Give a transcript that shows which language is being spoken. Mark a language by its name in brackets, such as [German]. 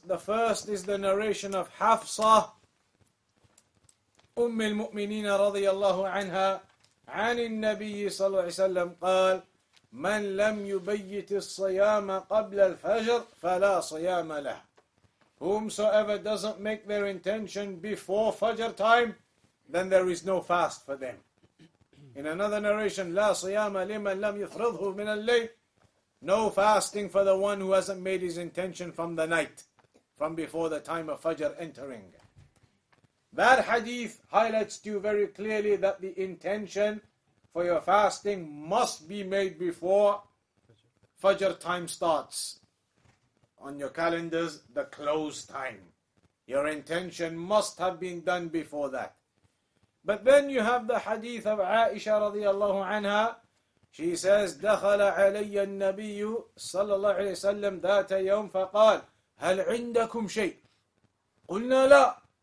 [English] The first is the narration of Hafsa, Umm al-Mu'mineen radiyallahu anha, [Arabic] عن النبي صلى الله عليه وسلم قال من لم يبيت الصيام قبل الفجر فلا صيام له. [English] Whomsoever doesn't make their intention before Fajr time, then there is no fast for them. In another narration, [Arabic] لا صيام لمن لم يفرضه من الليل. [English] No fasting for the one who hasn't made his intention from the night, from before the time of Fajr entering. That hadith highlights to you very clearly that the intention for your fasting must be made before Fajr time starts. On your calendars, the close time. Your intention must have been done before that. But then you have the hadith of Aisha radiallahu anha, She says, [Arabic] دخل علي النبي صلى الله عليه وسلم ذات يوم فقال هل عندكم شيء؟ قلنا لا.